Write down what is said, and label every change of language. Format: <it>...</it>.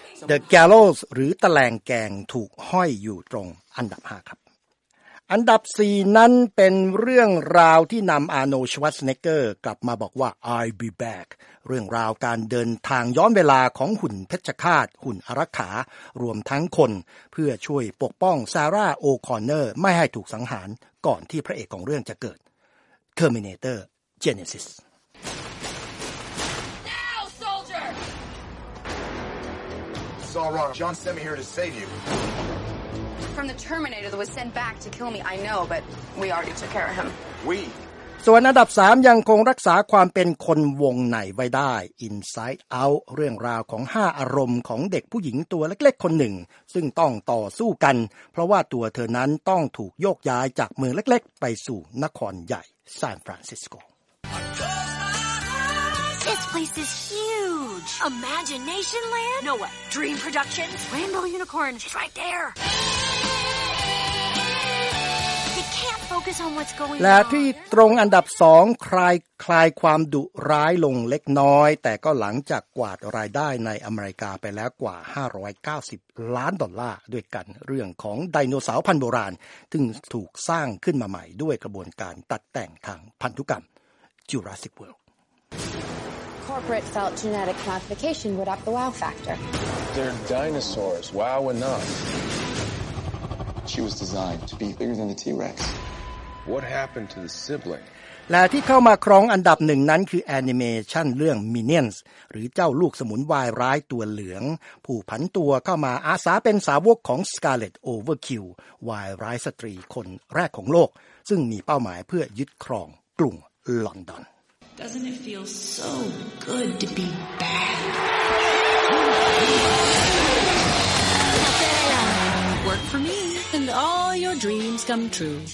<th>The Gallows หรือตะแลงแกงถูกห้อยอยู่ตรงอันดับ5ครับอันดับ4นั้นเป็นเรื่องราวที่นำอาร์โนชวัตสเนเกอร์กลับมาบอกว่า</th> <en>I'll be back</en> <th>เรื่องราวการเดินทางย้อนเวลาของหุ่นเพชฌฆาตหุ่นอารักขา รวมทั้งคนเพื่อช่วยปกป้องซาร่าโอคอนเนอร์ไม่ให้ถูกสังหารก่อนที่พระเอกของเรื่องจะเกิดTerminator Genesis</th> <en>Now soldier It's all wrong. John sent me here to save you. From the Terminator that was sent back to kill me. I know, but we already took care of him.</en> <th>We ส่วนอันดับ3ยังคงรักษาความเป็นคนวงในไว้ได้ Inside Out เรื่องราวของ5อารมณ์ของเด็กผู้หญิงตัวเล็กๆคนหนึ่งซึ่งต้องต่อสู้กันเพราะว่าตัวเธอนั้นต้องถูกโยกย้ายจากเมืองเล็กๆไปสู่นครใหญ่San Francisco.</th> <en>This place is huge. Imagination Land? No way. Dream Productions? Rainbow Unicorn? She's right there. They can't focus on what's going on.</en> <th>และที่ตรงอันดับ2คลายความดุร้ายลงเล็กน้อยแต่ก็หลังจากกวาดรายได้ในอเมริกาไปแล้วกว่า 590ล้านดอลลาร์ด้วยกันเรื่องของไดโนเสาร์พันธุ์โบราณซึ่งถูกสร้างขึ้นมาใหม่ด้วยกระบวนการตัดแต่งทางพันธุกรรม</th> <en>Jurassic World Corporate felt genetic modification would up the wow factor They're dinosaurs wow enough She was designed to be bigger than the T-Rex What happened to the sibling?</en> <th>และที่เข้ามาครองอันดับหนึ่งนั้นคือแอนิเมชันเรื่อง Minions หรือเจ้าลูกสมุนวายร้ายตัวเหลืองผู้ผันตัวเข้ามาอาสาเป็นสาวกของ Scarlet Overkill วายร้ายสตรีคนแรกของโลกซึ่งมีเป้าหมายเพื่อยึดครองกรุงลอนดอน</th> <en>Doesn't it feel so good to be bad? Work for me and all your dreams come true.</en>